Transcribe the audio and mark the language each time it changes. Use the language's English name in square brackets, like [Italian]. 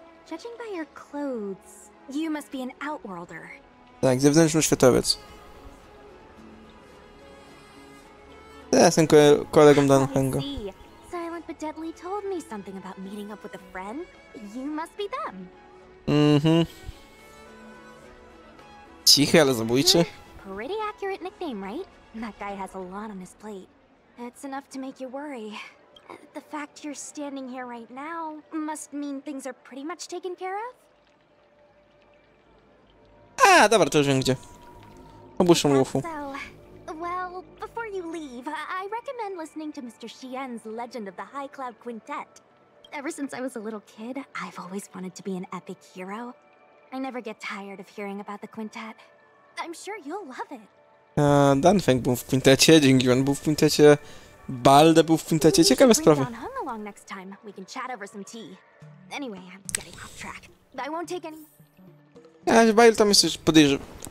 [English] Judging by your clothes, you must be an outworlder. [Polish] Tak, zewnętrzny światowiec. Ja jestem kolegą Danhengo. [English] Silent but deadly told me something about meeting up with a friend. You must be them. Mhm. [Polish] Cichy, ale zabójczy. [English] Pretty accurate nickname, right? That guy has a lot on his plate. It's enough to make you worry. The fact you're standing here right now must mean things are pretty much taken care of. [Polish] Ah, dobra, to już wiem gdzie. Obuszam Lufu. [English] Well, before you leave, I recommend listening to Mr. Xian's Legend of the High Cloud Quintet. Ever since I was a little kid, I've always wanted to be an epic hero. I never get tired of hearing about the quintet. I'm sure you'll love it. [Polish] Danfeng był w kwintecie, Jingyuan był w kwintecie, Balde był w kwintecie, ciekawe sprawy. Ale Bailu tam jest już, podejrzewam.